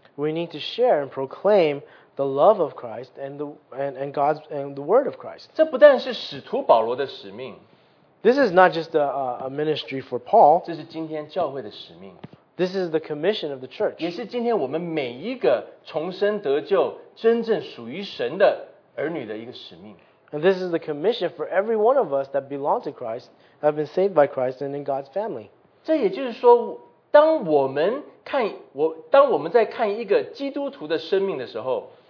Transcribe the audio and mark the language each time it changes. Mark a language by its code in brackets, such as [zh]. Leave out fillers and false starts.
[en] We need to share and proclaim the love of Christ and God's and the word of Christ. [zh] 这不但是使徒保罗的使命。 [en] This is not just a ministry for Paul. [zh] 这是今天教会的使命。 [en] This is the commission of the church. [zh] 也是今天我们每一个重生得救、真正属于神的儿女的一个使命。 [en] And this is the commission for every one of us that belong to Christ, have been saved by Christ and in God's family. [zh] 这也就是说，当我们看我，当我们在看一个基督徒的生命的时候